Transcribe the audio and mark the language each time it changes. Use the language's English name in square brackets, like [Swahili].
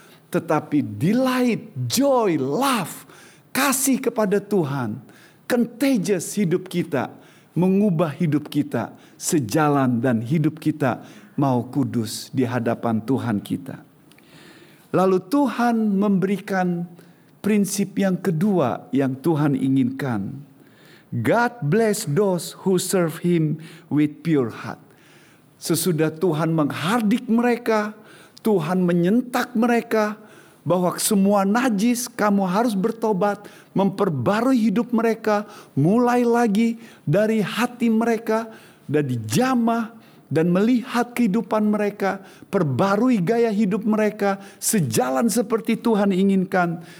[Indonesian] Tetapi delight, joy, love, kasih kepada Tuhan, contagious hidup kita, mengubah hidup kita, sejalan dan hidup kita mau kudus di hadapan Tuhan kita. Lalu Tuhan memberikan prinsip yang kedua yang Tuhan inginkan. [English] God bless those who serve Him with pure heart. [Indonesian] Sesudah Tuhan menghardik mereka, Tuhan menyentak mereka bahwa semua najis, kamu harus bertobat, memperbarui hidup mereka, mulai lagi dari hati mereka, dari jamah dan melihat kehidupan mereka, perbarui gaya hidup mereka sejalan seperti Tuhan inginkan.